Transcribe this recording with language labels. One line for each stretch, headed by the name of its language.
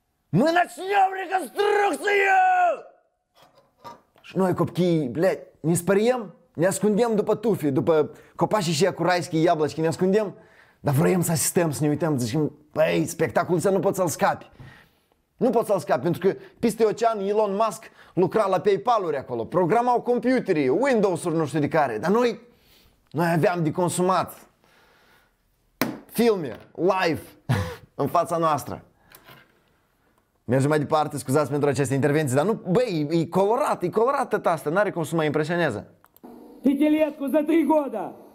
Russian: Мы начнем реконструкцию!
Romanian: Și noi copchii, блядь, ne speriem, ne ascundem după tufi, după copașii și acuraischi, iablăci, ne ascundem, dar vrem să asistăm, să ne uităm, zicem, băi, spectacolul ăsta nu poți să-l scapi. Nu poți să-l scapi, pentru că peste ocean Elon Musk lucra la PayPal-uri acolo, programau computerii, Windows-uri, nu știu de care, dar noi aveam de consumat filme, live, în fața noastră. Mergem mai departe, scuzați pentru aceste intervenții, dar nu, băi, e colorat tot asta, n-are cum să mă impresioneze.
Russian: Titelescu, за 3 года!